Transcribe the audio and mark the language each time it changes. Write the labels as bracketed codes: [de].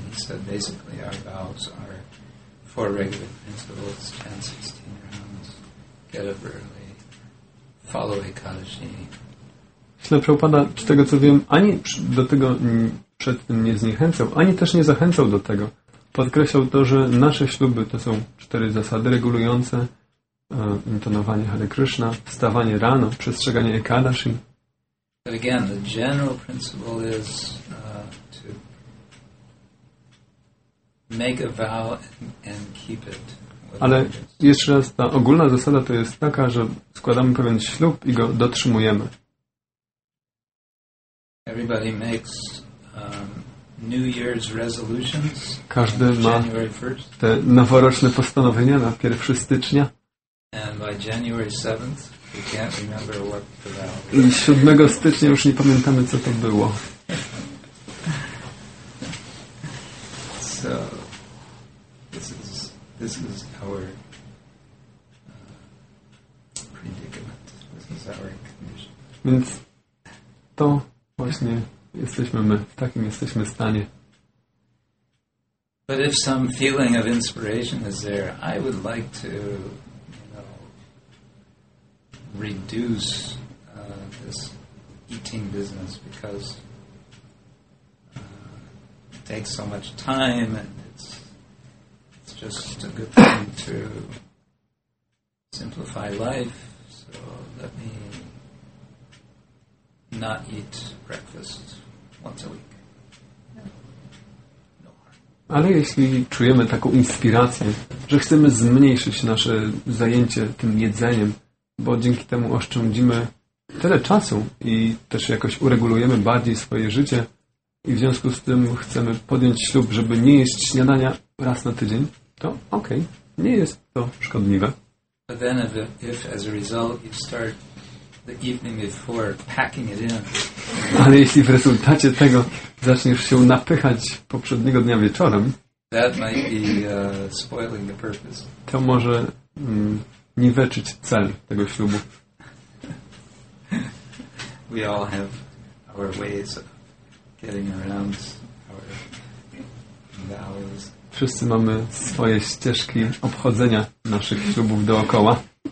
[en] He said, basically, our vows are four regular principles, chant 16 rounds, get up early, follow Ekadashi. [pl] Śrīla Prabhupāda, z tego co wiem, ani do tego przed tym nie zniechęcał, ani też nie zachęcał do tego. Podkreślał to, że nasze śluby to są cztery zasady regulujące, intonowanie Hare Krishna, wstawanie rano, przestrzeganie Ekadashi. [en] But again, the general principle is to make a vow and keep it. [pl] Ale jeszcze raz, ta ogólna zasada to jest taka, że składamy pewien ślub i go dotrzymujemy. [en] Everybody makes New Year's resolutions. [pl] Każdy ma te noworoczne postanowienia na 1 stycznia. [en] And by January 7th, we can't remember what the vow was. [pl] I 7 stycznia już nie pamiętamy, co to było. [en] So this is our predicament. This is our condition. [pl] Więc to właśnie jesteśmy my, w takim jesteśmy stanie. [en] But if some feeling of inspiration is there, I would like to, you know, reduce this eating business because it takes so much time and it's just a good thing to simplify life. So let me not eat breakfast once a week. [pl] Ale jeśli czujemy taką inspirację, że chcemy zmniejszyć nasze zajęcie tym jedzeniem, bo dzięki temu oszczędzimy tyle czasu i też jakoś uregulujemy bardziej swoje życie i w związku z tym chcemy podjąć ślub, żeby nie jeść śniadania raz na tydzień, to okej, nie jest to szkodliwe. [en] But then if as a result you start the evening before packing it in. [pl] Ale jeśli w rezultacie tego zaczniesz się napychać poprzedniego dnia wieczorem, [en] that might be, spoiling the purpose. [pl] To może niweczyć cel tego ślubu. [en] We all have our ways of getting around our vows. [pl] Wszyscy mamy swoje ścieżki obchodzenia naszych ślubów dookoła.